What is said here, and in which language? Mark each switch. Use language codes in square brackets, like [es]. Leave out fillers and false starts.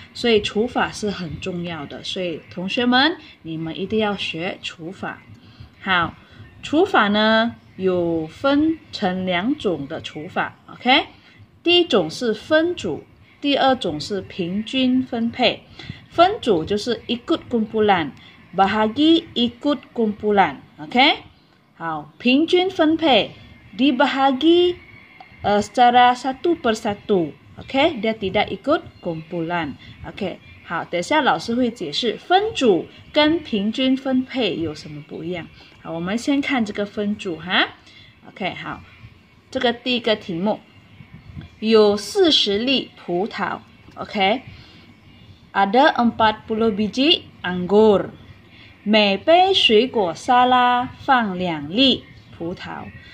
[zh] 所以除法是很重要的，所以同学们你们一定要学除法。好，除法呢有分成两种的除法， OK， 第一种是分组，第二种是平均分配。分组就是 [ms] ikut kumpulan， bahagi ikut kumpulan， [zh] OK， 好，平均分配 [ms] dibahagi secara satu persatu， [zh] OK， [ms] dia tidak ikut kumpulan， [zh] OK， 好，等一下老师会解释分组跟平均分配有什么不一样。好，我们先看这个分组哈。OK， 好，这个第一个题目有40粒葡萄。 OK， [ms] ada 40 biji anggur， [zh] 每杯水果沙拉放2粒葡萄。